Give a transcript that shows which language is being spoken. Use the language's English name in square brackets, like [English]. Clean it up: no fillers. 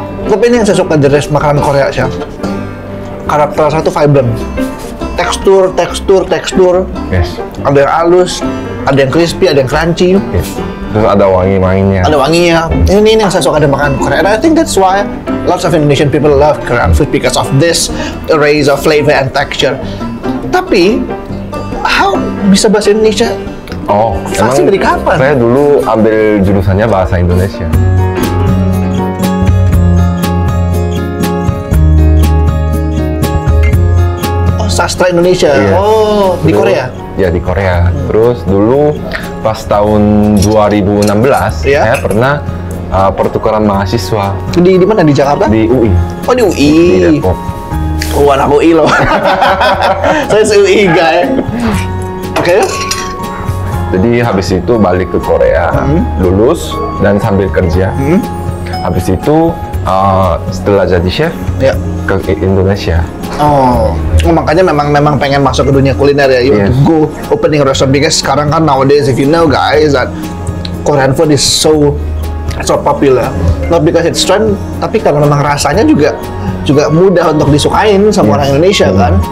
[Indonesian] Tapi ini yang saya suka dari makanan Korea sih. Karena terasa tuh vibrant. Tekstur. [English] Yes. [Indonesian] Ada yang halus, ada yang crispy, ada yang crunchy. [English] Yes. [Indonesian] Terus ada wangi mainnya. Ada wanginya. Ini yang saya suka dari makanan Korea. [English] And I think that's why lots of Indonesian people love Korean food because of this array of flavor and texture. [Indonesian] Tapi, how bisa bahasa Indonesia? Oh, emang dari kapan? Saya dulu ambil jurusannya bahasa Indonesia. Oh, sastra Indonesia. Yes. Oh, dulu, di Korea? Ya, di Korea. Terus dulu pas tahun 2016, yeah, saya pernah pertukaran mahasiswa. Di mana? Di Jakarta? Di UI. Oh, di UI. Di Depok. Oh, anak UI loh. Saya se UI, guys. Oke. Okay. Jadi habis itu balik ke Korea, lulus dan sambil kerja. Habis itu setelah jadi chef, yeah, ke Indonesia. Oh, makanya memang pengen masuk ke dunia kuliner ya. [English] You, yes, to go opening restaurant because [Indonesian] sekarang kan [English] nowadays if you know guys that Korean food is so popular. Not because it's trend, [Indonesian] tapi karena memang rasanya juga mudah untuk disukain sama, yes, orang Indonesia kan.